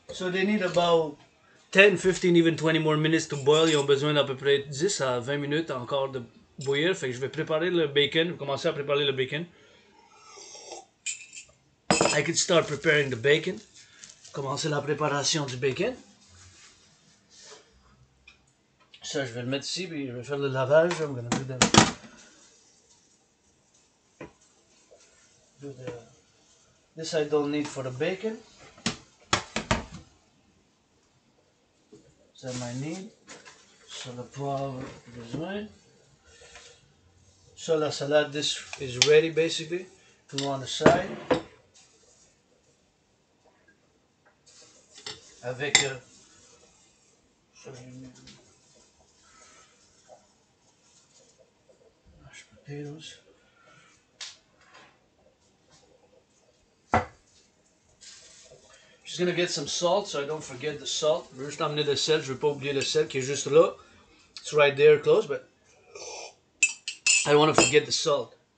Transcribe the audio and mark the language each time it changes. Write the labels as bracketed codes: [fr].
[en] So they need about 10, 15, even 20 more minutes to boil. [fr] Ils ont besoin d'à peu près 10 à 20 minutes encore de bouillir. Fait que je vais préparer le bacon. Je vais commencer à préparer le bacon. [en] I could start preparing the bacon. [fr] Commencer la préparation du bacon. Ça, je vais le mettre ici, puis je vais faire le lavage. [en] I'm gonna do the this I don't need for the bacon. That I need. So the poivre is mine. So la salade, this is ready basically. Go on the side. [fr] Avec a. [en] Mashed potatoes. Just gonna get some salt so I don't forget the salt. [fr] Je vais juste amener le sel, je vais pas oublier le sel qui est juste là. [en] It's right there close, but I don't wanna forget the salt.